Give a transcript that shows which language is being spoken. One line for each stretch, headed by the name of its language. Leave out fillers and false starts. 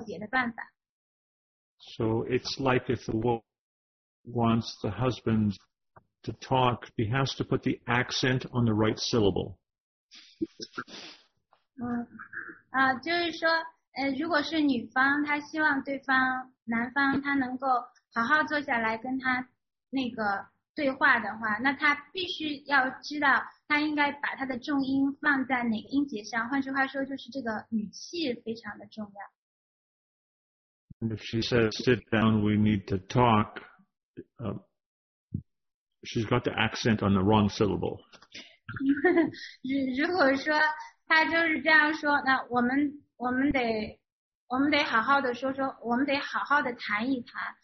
Chinese: 那你怎么才能够互相的了解到对方他其实需要什么样的理解呢？这个除了相互之间的这种沟通之外，应该是没有别的办法。
English: So it's like if the woman wants the husband to talk, he has to put the accent on the right syllable.
Chinese: 就是说，如果是女方，她希望对方男方他能够。好好坐下来跟他那个对话的话，那他必须要知道他应该把他的重音放在哪个音节上。换句话说，就是这个语气非常的重要。
English: And if she says sit down, we need to talk. She's got the accent on the wrong syllable.
Chinese: 如果说他就是这样说，那我们得好好的说说，我们得好好的谈一谈。